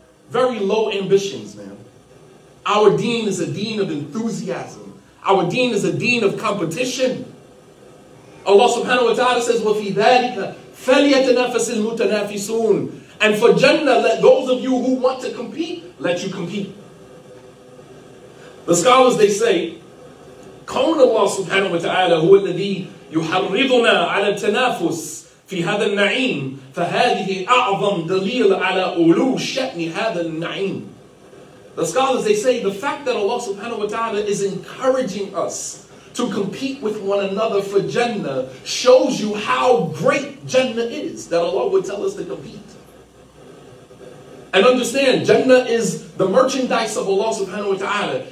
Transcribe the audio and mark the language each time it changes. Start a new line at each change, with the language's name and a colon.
English: Very low ambitions, man. Our deen is a deen of enthusiasm. Our deen is a deen of competition. Allah subhanahu wa ta'ala says,
Arabic: وَفِي ذَٰلِكَ فَلْيَتَنَافَسِ الْمُتَنَافِسُونَ.
English: And for Jannah, let those of you who want to compete, let you compete. The scholars, they say,
Arabic: كون الله سبحانه وتعالى هو الذي يحرضنا على التنافس في هذا النعيم فهذه أعظم دليل على أولو شأن هذا النعيم.
English: The scholars, they say, the fact that Allah subhanahu wa ta'ala is encouraging us to compete with one another for Jannah shows you how great Jannah is, that Allah would tell us to compete. And understand, Jannah is the merchandise of Allah subhanahu wa ta'ala.